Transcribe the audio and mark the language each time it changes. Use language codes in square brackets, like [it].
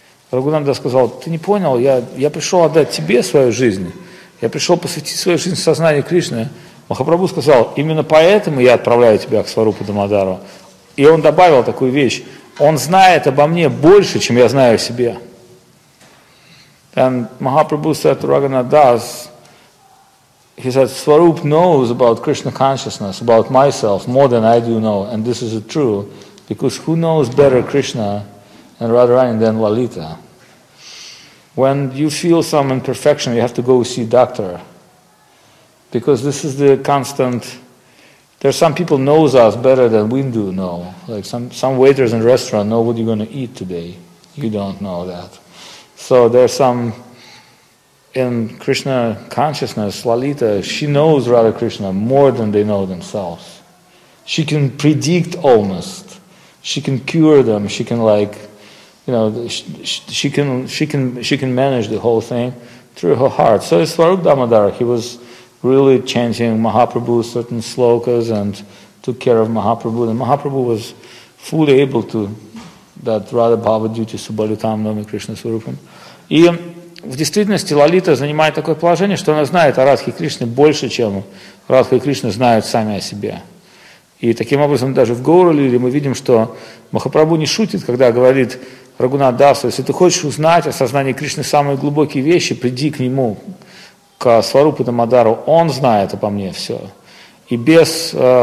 [ru] Рагунанда сказал, ты не понял, я пришел отдать тебе свою жизнь, я пришел посвятить свою жизнь сознанию Кришны. Махапрабху сказал, именно поэтому я отправляю тебя к Сварупу Дамодару. И он добавил такую вещь, он знает обо мне больше, чем я знаю о себе. [en] And Mahaprabhu said to Raghunath Das, he said, Swarup knows about Krishna consciousness, about myself, more than I do know, and this is true, because who knows better Krishna and Radharani than Lalita? When you feel some imperfection, you have to go see a doctor. Because this is the constant, there are some people knows us better than we do know. Like some waiters in a restaurant know what you're going to eat today. You don't know that. So there's some, in Krishna consciousness, Lalita, she knows Radha Krishna more than they know themselves. She can predict almost. She can cure them. She can like, you know, she can manage the whole thing through her heart. So it's Swarup Damodara. He was really chanting Mahaprabhu certain slokas and took care of Mahaprabhu. And Mahaprabhu was fully able to that Radha Bhava duty Subalitam Nami Krishna Swarupam. [ru] И в действительности Лалита занимает такое положение, что она знает о Радхе Кришне больше, чем Радха и Кришна знают сами о себе. И таким образом даже в Гаура-лиле мы видим, что Махапрабху не шутит, когда говорит Рагунат Дасу, если ты хочешь узнать о сознании Кришны самые глубокие вещи, приди к нему, к Сварупу Дамодару, он знает обо мне все. И без